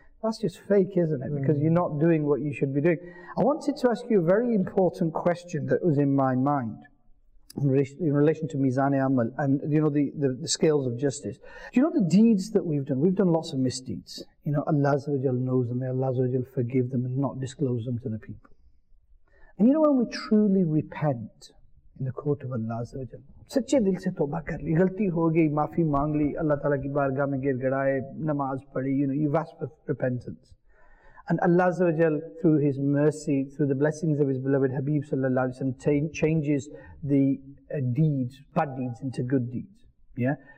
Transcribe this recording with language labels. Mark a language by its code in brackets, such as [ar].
[en] That's just fake, isn't it? Because you're not doing what you should be doing. I wanted to ask you a very important question that was in my mind in relation to Mizan-e Amal and the scales of justice. Do you know the deeds that we've done? We've done lots of misdeeds. Allah Azza wa Jal knows them. May Allah Azza wa Jal forgive them and not disclose them to the people. And when we truly repent in the court of Allah Azza wa Jal, [ur] سچے دل سے توبہ کر لی، غلطی ہو گئی، معافی مانگ لی، اللہ تعالیٰ کی بارگاہ میں گر گدائے، نماز پڑھی، [en] you've asked for repentance. And Allah Azza wa Jal, through His mercy, through the blessings of His beloved Habib sallallahu alayhi wa sallam, changes the deeds, bad deeds, into good deeds. Yeah?